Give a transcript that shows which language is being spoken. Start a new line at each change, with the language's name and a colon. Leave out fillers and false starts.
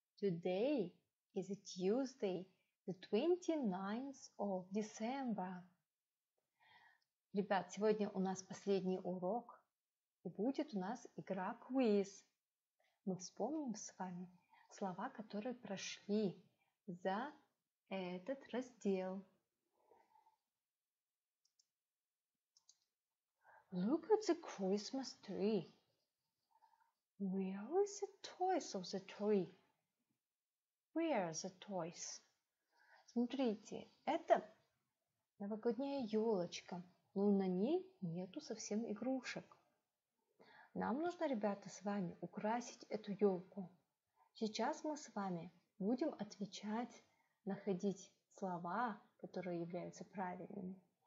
English: Today is Tuesday, the 29th of December.
Russian: Ребят, сегодня у нас последний урок, и будет у нас игра-квиз. Мы вспомним с вами слова, которые прошли за этот раздел.
English: Look at the Christmas tree. Where is the toys of the tree? Where are the toys?
Russian: Смотрите, это новогодняя елочка, но на ней нету совсем игрушек. Нам нужно, ребята, с вами украсить эту елку. Сейчас мы с вами будем отвечать, находить слова, которые являются правильными.